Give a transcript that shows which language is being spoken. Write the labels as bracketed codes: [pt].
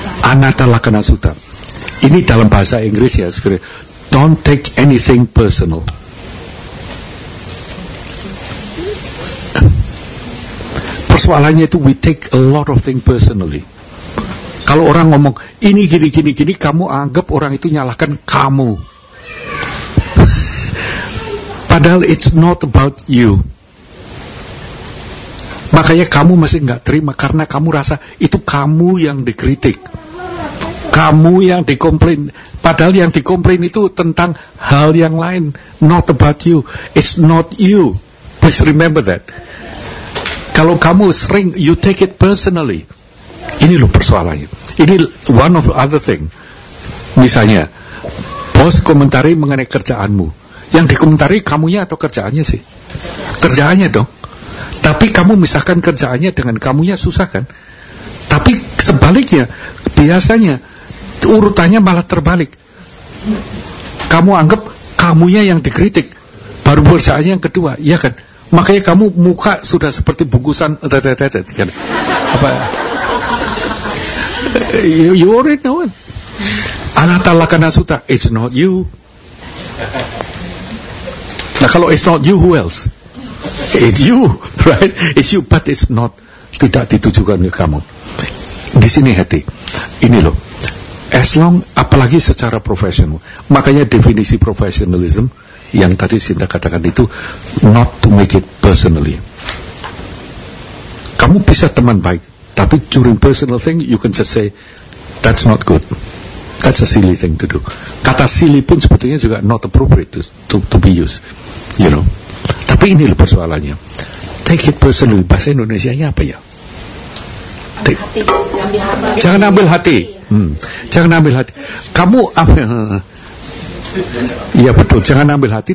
[id] Anatta Lakkhana Sutta. Ini dalam bahasa Inggris ya, [en] don't take anything personal. [id] Persoalannya itu [en] we take a lot of things personally. [id] Kalau orang ngomong ini gini, kamu anggap orang itu nyalahkan kamu. Padahal [en] it's not about you. [id] Makanya kamu masih gak terima karena kamu rasa itu kamu yang dikritik, kamu yang dikomplain. Padahal yang dikomplain itu tentang hal yang lain, [en] not about you. It's not you. Please remember that. [id] Kalau kamu sering, [en] you take it personally. [id] Ini loh persoalannya. Ini [en] one of other thing. [id] Misalnya bos komentari mengenai kerjaanmu. Yang dikomentari kamunya atau kerjaannya sih? Kerjaannya dong. Tapi kamu misalkan kerjaannya dengan kamunya, susah kan? Tapi sebaliknya, biasanya urutannya malah terbalik. Kamu anggap kamunya yang dikritik, baru kerjaannya yang kedua, ya kan? Makanya kamu muka sudah seperti bungkusan kan? Apa? [en] You already know it. Anatta Lakkhana Sutta, it's not you. [id] Nah kalau [en] it's not you, who else? It's you, right? It's you, but it's not, [id] tidak ditujukan ke kamu. Di sini hati, ini loh. [en] As long, [id] apalagi secara profesional. Makanya definisi professionalism yang tadi Sinta katakan itu, [en] not to make it personally. [id] Kamu bisa teman baik, tapi [en] during personal thing, you can just say, that's not good. That's a silly thing to do. [id] Kata silly pun sebetulnya juga [en] not appropriate to be used. You know. [id] Tapi ini loh persoalannya. [en] Take it personally. [id] Bahasa Indonesianya apa ya? Jangan ambil hati. Jangan ambil hati. Kamu apa? Iya betul. Jangan ambil hati.